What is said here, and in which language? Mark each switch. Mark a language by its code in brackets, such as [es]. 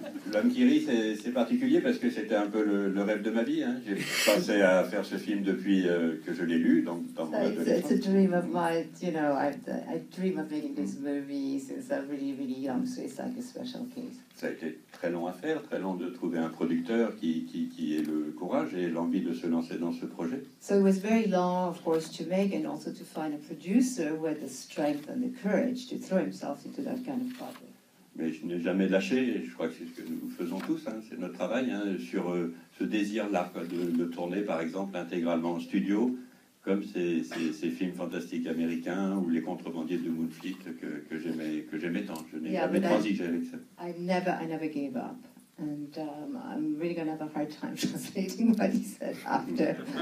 [fr] L'homme qui rit, c'est particulier parce que c'était un peu le rêve de ma vie. Hein. J'ai pensé à faire ce film depuis que je l'ai lu, donc dans mon adolescence. [en] It's a dream of mine, you know. I dream of making this movie since I'm really, really young, so it's like a special case. [fr] Ça a été très long à faire, très long de trouver un producteur qui ait le courage et l'envie de se lancer dans ce projet. [en] So it was very long, of course, to make and also to find a producer who had the strength and the courage to throw himself into that kind of project. [fr] Mais je n'ai jamais lâché, et je crois que c'est ce que nous faisons tous, hein, c'est notre travail, hein, sur ce désir-là, quoi, de le tourner, par exemple, intégralement en studio, comme ces films fantastiques américains ou les contrebandiers de Moonfleet que j'aimais tant. Je n'ai jamais transigé avec ça. [en] I never gave up. And I'm really going to have a hard time translating what he said after.